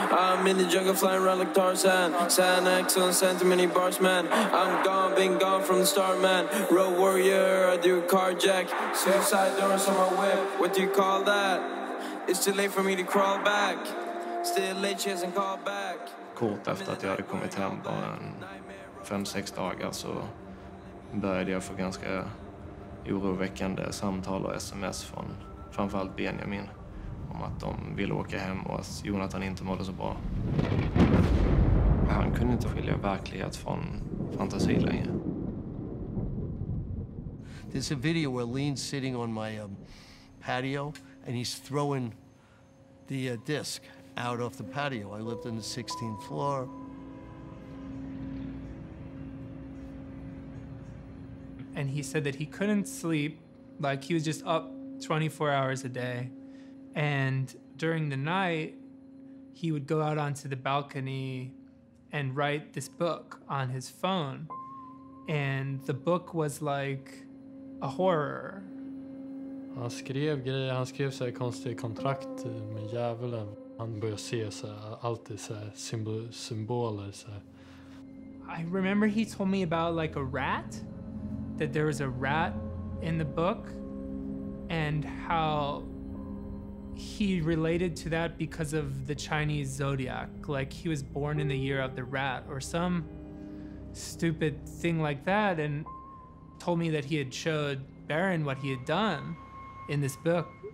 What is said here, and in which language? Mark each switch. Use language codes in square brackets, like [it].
[en] I'm in the jungle, flying around like Tarzan. Xanax on sentiment, bars, man. I'm gone, been gone from the start, man. Road warrior, I do a carjack. Suicide doors on my whip, what do you call that? It's too late for me to crawl back. Still late, she hasn't called back. [sv] Kort efter att jag hade kommit hem, bara 5-6 dagar, så började jag få ganska oroväckande samtal och sms från framförallt Benjamin om att de ville åka hem och att Jonathan inte mådde så bra. Han kunde inte skilja verklighet från fantasi längre. [en] There's a video where Lean's sitting on my patio and he's throwing the disc out of the patio. I lived on the 16th floor. And he said that he couldn't sleep, like he was just up 24 hours a day. And during the night, he would go out onto the balcony and write this book on his phone. And the book was like a horror. [sv] Han skrev grejer, han skrev så här konstiga kontrakt med djävulen. Han började se så här, alltid så här symboler. Så här. [en] I remember he told me about like a rat. That there was a rat in the book and how he related to that because of the Chinese zodiac. Like he was born in the year of the rat or some stupid thing like that, and told me that he had showed Baron what he had done in this book.